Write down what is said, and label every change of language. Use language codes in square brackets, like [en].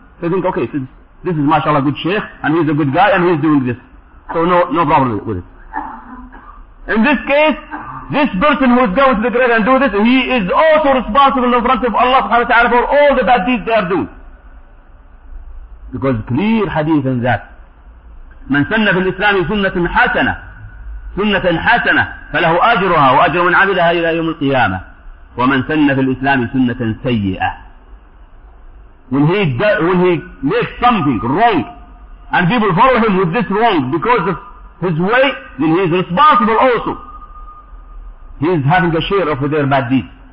[en] They think, okay, so this is mashallah good sheikh and he's a good guy and he's doing this. So no problem with it. In this case, this person who is going to the grave and do this, he is also responsible in front of Allah subhanahu wa ta'ala for all the bad deeds they are doing. Because clear hadith in that. [ar] من سن في الإسلام سنة حسنة فله أجرها وأجر من عملها إلى يوم القيامة. ومن سن في الإسلام سنة سيئة. [en] When he makes something wrong, and people follow him with this wrong because of his way, then he is responsible also. He is having a share of their bad deeds.